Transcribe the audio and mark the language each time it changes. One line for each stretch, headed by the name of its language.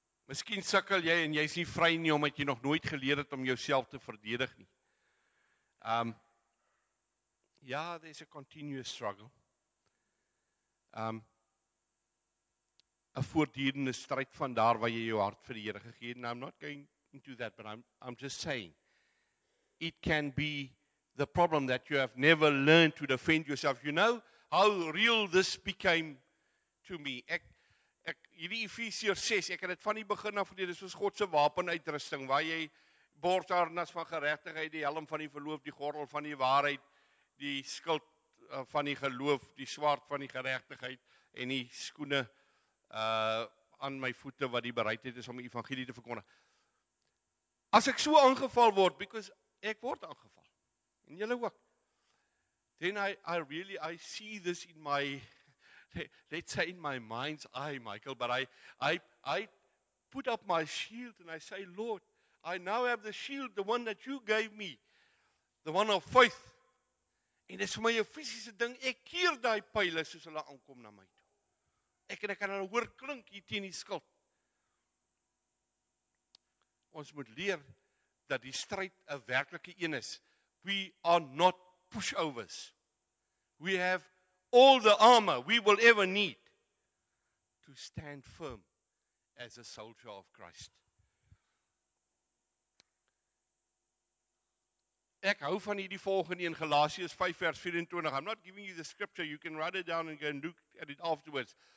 Afrikaans: Miskien sukkel jy en jy's nie vry nie omdat jy nog nooit geleer het om jouself te verdedig nie.
English: Ja, there's a continuous struggle.
Afrikaans: A voortdurende stryd van daar waar jy jou hart vir die Here gegee het.
English: And I'm not going into that, but I'm just saying, it can be the problem that you have never learned to defend yourself. You know how real this became to me.
Afrikaans: Ek hierdie Efesiërs 6, ek het dit van die begin af geleer, dis ons God se wapenuitrusting, waar jy borsharnas van geregtigheid, die helm van die verloof, die gordel van die waarheid, die skild van die geloof, die swaard van die geregtigheid en die skoene aan my voete wat die bereidheid is om die evangelie te verkondig. As ek so aangeval word,
English: because
Afrikaans: ek word aangeval, en julle ook,
English: then I see this in my, let's say in my mind's eye, Michael, but I put up my shield and I say, Lord, I now have the shield, the one that you gave me, the one of faith.
Afrikaans: En dit is vir my 'n fisiese ding, ek keer die pijle soos hulle aankom na my. Ek kan hulle hoor klink hier teen die skild. Ons moet leer dat die stryd 'n werklike een is
English: We are not pushovers. We have all the armor we will ever need to stand firm as a soldier of Christ.
Afrikaans: Ek hou van hierdie volgende in Galasiërs 5 vers 24.
English: I'm not giving you the scripture. You can write it down and go and look at it afterwards.